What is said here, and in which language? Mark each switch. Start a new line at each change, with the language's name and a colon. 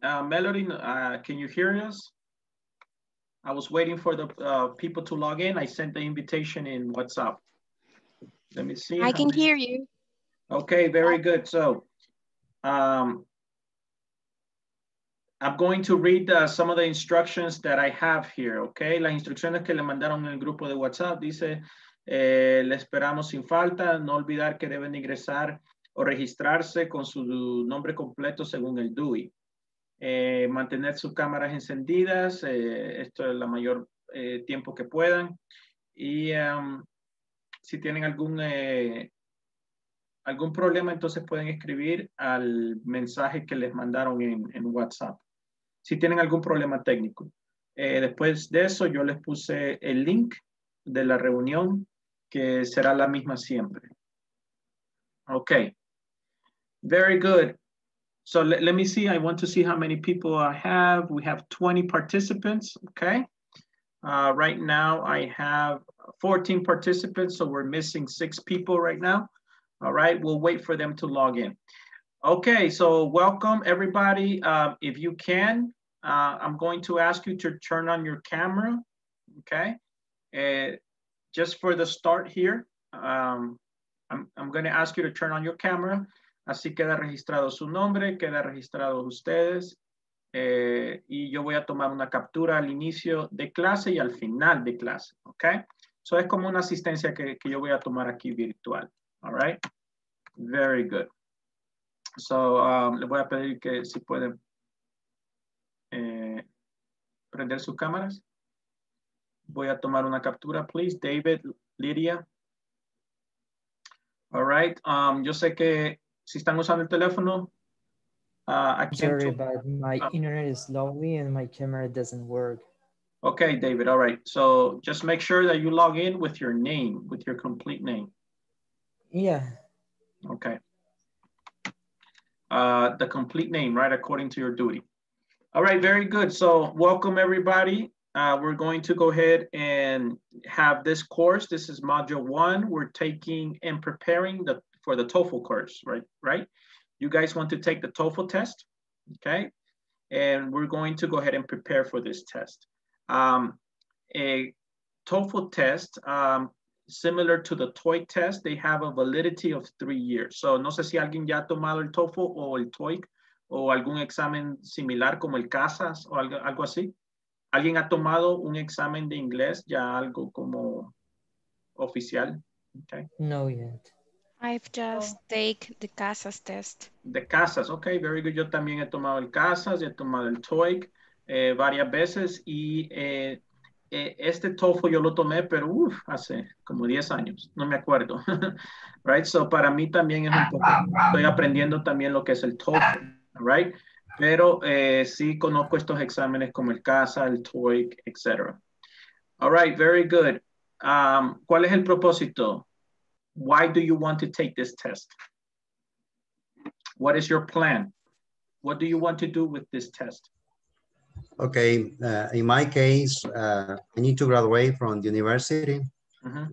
English: Melody, can you hear us? I was waiting for the people to log in. I sent the invitation in WhatsApp. Let me see. I can hear you. Okay, very good. So I'm going to read some of the instructions that I have here, okay?
Spanish: Las instrucciones que le mandaron en el grupo de WhatsApp dice, le esperamos sin falta, no olvidar que deben ingresar o registrarse con su nombre completo según el DUI. Mantener sus cámaras encendidas, esto es la mayor tiempo que puedan. Y si tienen algún problema, entonces pueden escribir al mensaje que les mandaron en WhatsApp. Si tienen algún problema técnico. Después de eso, yo les puse el link de la reunión, que será la misma siempre.
English: Ok. Very good. So let me see. I want to see how many people I have. We have 20 participants. Okay. Right now I have 14 participants. So we're missing 6 people right now. All right. We'll wait for them to log in. Okay. So welcome everybody. If you can, I'm going to ask you to turn on your camera. Okay. Just for the start here, I'm going to ask you to turn on your camera.
Spanish: Así queda registrado su nombre, queda registrado ustedes. Y yo voy a tomar una captura al inicio de clase y al final de clase, ¿ok? So es como una asistencia que yo voy a tomar aquí virtual,
English: all right? Very good.
Spanish: So le voy a pedir que si pueden prender sus cámaras. Voy a tomar una captura, please, David, Lydia. All right, yo sé que si están usando el teléfono,
English: sorry, but my internet is lowly and my camera doesn't work. Okay, David, all right. So just make sure that you log in with your name, with your complete name. Yeah. Okay. The complete name, right, according to your duty. All right, very good. So welcome, everybody. We're going to go ahead and have this course. This is module 1. We're taking and preparing for the TOEFL course, right? You guys want to take the TOEFL test, okay? And we're going to go ahead and prepare for this test. A TOEFL test, similar to the TOEIC test, they have a validity of 3 years.
Spanish: So no sé si alguien ya ha tomado el TOEFL o el TOEIC o algún examen similar como el CASAS o algo así. ¿Alguien ha tomado un examen de inglés ya algo como oficial?
English: Okay. No yet. I've just taken the CASAS test. The CASAS, okay, very good.
Spanish: Yo también he tomado el CASAS, he tomado el TOEIC varias veces y este TOEFL yo lo tomé, pero hace como 10 años, no me acuerdo. Right, so para mí también es un poco, estoy aprendiendo también lo que es el TOEFL, right? Pero sí conozco estos exámenes como el CASA, el TOEIC, etc.
English: All right, very good.
Spanish: ¿Cuál es el propósito?
English: Why do you want to take this test? What is your plan? What do you want to do with this test? Okay, in my case, I need to graduate from the university. Mm-hmm.